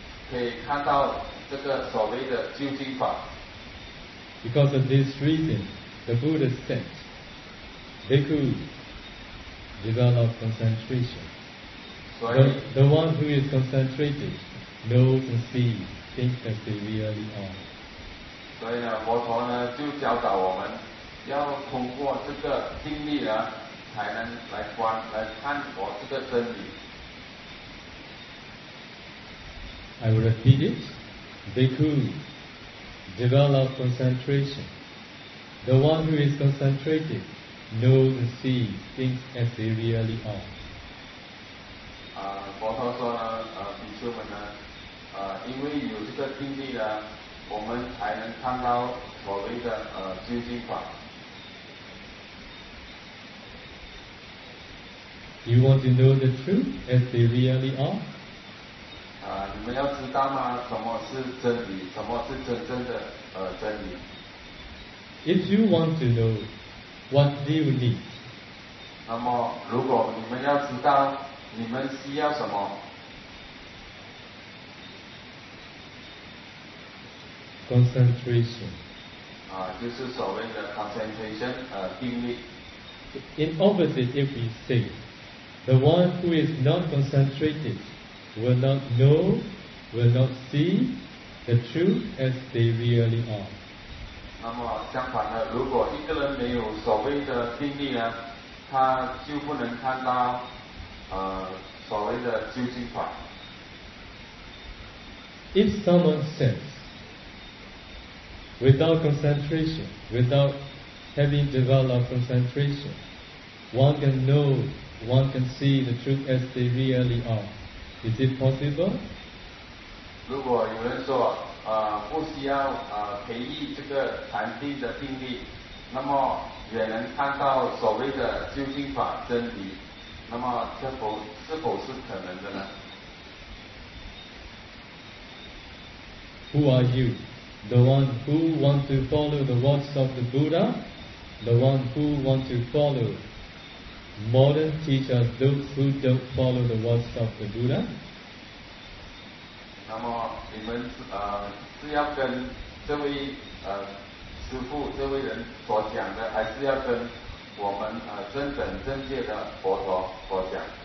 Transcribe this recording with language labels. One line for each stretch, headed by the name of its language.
Chinese: 可以看到这个所谓的究竟法。
English: Because of this reason, the Buddha said, Bhikkhu, develop concentration. The one who is concentrated knows and sees things as they really are.
Chinese: 所以呢，佛陀呢就教导我们，要通过这个定力呢，才能来观来看我这个真理。
English: I will repeat it. Bhikkhu, develop concentration. The one who is concentrated knows and sees things as they really are.
Chinese: 佛陀说呢，比丘们呢，因为有这个定力呢，我们才能看到所谓的究竟法。
English: You want to know the truth as they really are?
Chinese: 你们要知道吗？什么是真理？什么是真正的真理
English: ？If you want to know what do you need，
Chinese: 那么如果你们要知道，你们需要什么
English: ？Concentration，
Chinese: 就是所谓的 concentration， 定力。
English: In opposite, if we say the one who is not concentrated。 Will not know, will not see the truth as they really are.
Chinese: 那么相反的，如果一个人没有所谓的定力呢，他就不能看到所谓的究竟法。
English: If someone says, without concentration, without having developed concentration, one can know, one can see the truth as they really are. Is it possible?
Chinese: 如果有人说，不需要培育这个禅定的定力，那么也能看到所谓的究竟法真理，那么这否是否是可能的呢
English: ？Who are you, the one who want to follow the words of the Buddha, the one who want to follow? Modern teachers, those who don't follow the words of the Buddha.
Chinese: 那么你们是要跟这位师父这位人所讲的，还是要跟我们正等正觉的佛陀所讲